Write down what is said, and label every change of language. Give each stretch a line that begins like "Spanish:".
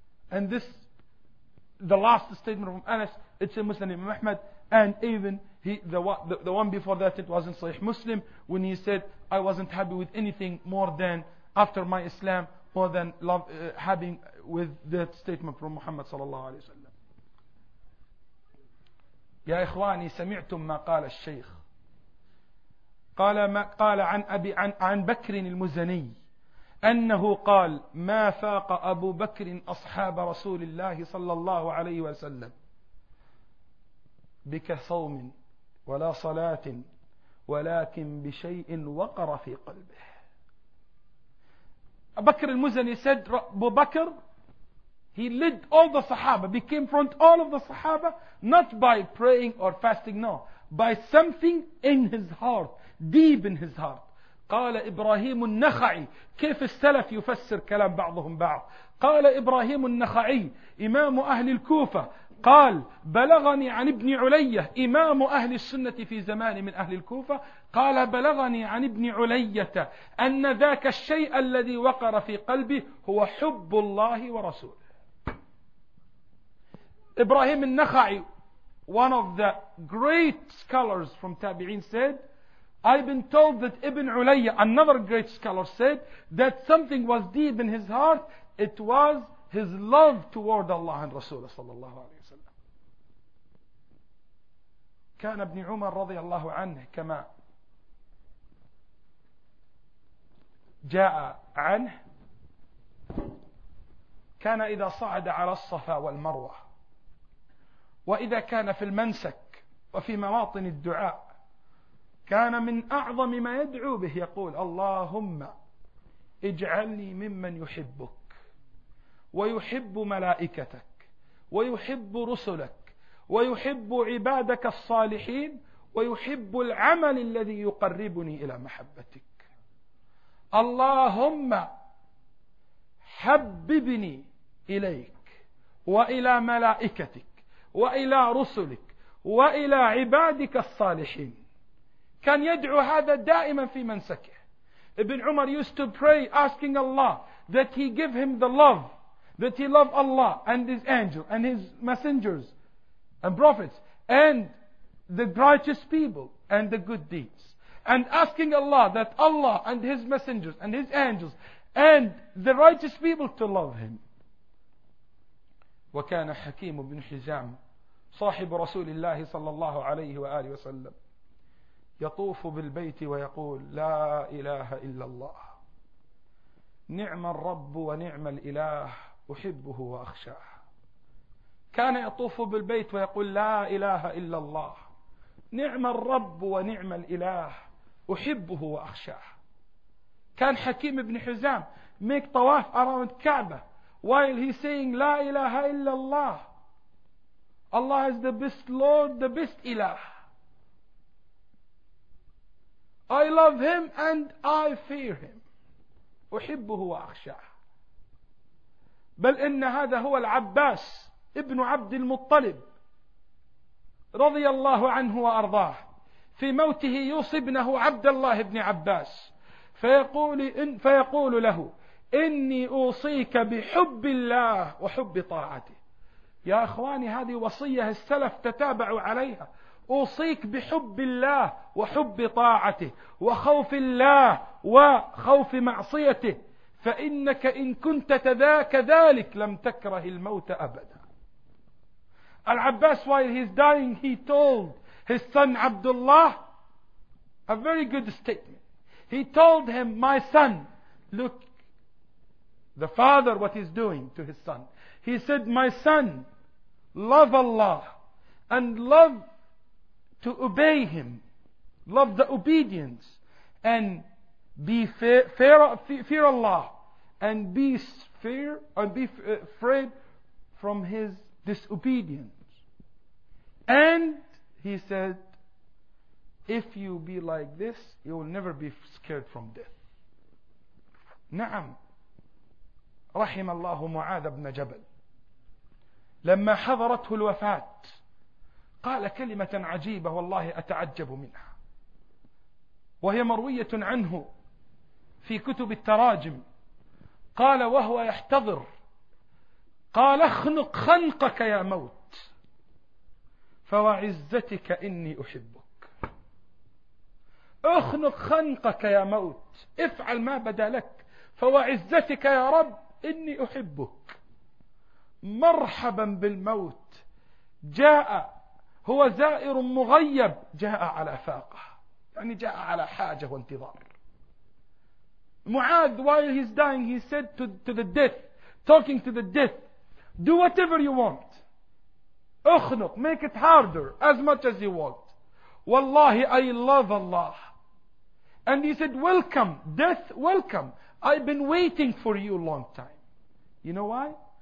English: And this, the last statement from Anas, it's in Muslim Imam Ahmad, and even the one before that, it was in Sahih Muslim, when he said, I wasn't happy with anything more than after my Islam, more than love, having with that statement from Muhammad
Arabic: sallallahu alayhi wa sallam. يا إخواني سمعتم ما قال الشيخ. قال ما قال عن أبي عن بكر المزني أنه قال: ما فاق أبو بكر أصحاب رسول الله صلى الله عليه وسلم بك صوم ولا صلاة، ولكن بشيء وقر في قلبه.
English: Bakr al-Muzani said, Abu Bakr, he led all the Sahaba, became front all of the Sahaba, not by praying or fasting, no, by something in his heart, deep in his heart.
Arabic: قال إبراهيم النخعي، كيف السلف يفسر كلام بعضهم بعض؟ قال إبراهيم النخعي إمام أهل الكوفة، قال: بلغني عن ابن علية، إمام أهل السنة في زمان من أهل الكوفة، قال: بلغني عن ابن علية أن ذاك الشيء الذي وقر في قلبه هو حب الله ورسوله.
English: إبراهيم النخعي، one of the great scholars from تابعين، said, I've been told that Ibn Ulayya, another great scholar, said that something was deep in his heart, it was his love toward Allah and Rasulullah
Arabic: sallallahu alayhi wa sallam. كان ابن عمر رضي الله عنه كما جاء عنه كان إذا صعد على الصفا والمروة وإذا كان في المنسك وفي مواطن الدعاء كان من أعظم ما يدعو به يقول: اللهم اجعلني ممن يحبك ويحب ملائكتك ويحب رسلك ويحب عبادك الصالحين ويحب العمل الذي يقربني إلى محبتك. اللهم حببني إليك وإلى ملائكتك وإلى رسلك وإلى عبادك الصالحين. كان يدعو هذا دائما في منسكه،
English: Ibn Umar used to pray asking Allah that he give him the love, that he love Allah and his angel and his messengers and prophets and the righteous people and the good deeds. And asking Allah that Allah and his messengers and his angels and the righteous people to love him.
Arabic: وكان حكيم بن حزام صاحب رسول الله صلى الله عليه وآله وسلم يطوف بالبيت ويقول لا إله إلا الله نعم الرب ونعم الإله أحبه وأخشاه. كان يطوف بالبيت ويقول لا إله إلا الله نعم الرب ونعم الإله أحبه وأخشاه. كان
English: حكيم بن حزام make طواف around كعبة while he's saying
Arabic: لا إله إلا الله,
English: Allah is the best Lord, the best إله, I love him and I fear him,
Arabic: أحبه وأخشاه. بل إن هذا هو العباس ابن عبد المطلب رضي الله عنه وأرضاه في موته يوصي ابنه عبد الله بن عباس فيقول له إني أوصيك بحب الله وحب طاعته. يا أخواني هذه وصية السلف تتابعوا عليها, أوصيك بحب الله وحب طاعته وخوف الله وخوف معصيته, فإنك إن كنت تذاك ذلك لم تكره الموت أبدا.
English: العباس while he's dying he told his son Abdullah a very good statement. He told him, my son, look, the father, what he's doing to his son. He said, my son, love Allah and love to obey him, love the obedience, and be fear Allah and be fear and be afraid from his disobedience. And he said, if you be like this, you will never be scared from death.
Arabic: Na'am. رحم الله معاذ بن جبل لما حضرته الوفاة قال كلمة عجيبة والله أتعجب منها, وهي مروية عنه في كتب التراجم. قال وهو يحتضر, قال اخنق خنقك يا موت, فوعزتك إني أحبك. اخنق خنقك يا موت, افعل ما بدا لك, فوعزتك يا رب إني أحبك. مرحبا بالموت جاء, هو زائر مغيب جاء على فاقة, يعني جاء على حاجة وانتظار.
English: معاذ while he's dying he said to the death, talking to the death, do whatever you want,
Arabic: اخنق,
English: make it harder as much as you want,
Arabic: والله
English: I love Allah. And he said, welcome death, welcome, I've been waiting for you a long time. You know why?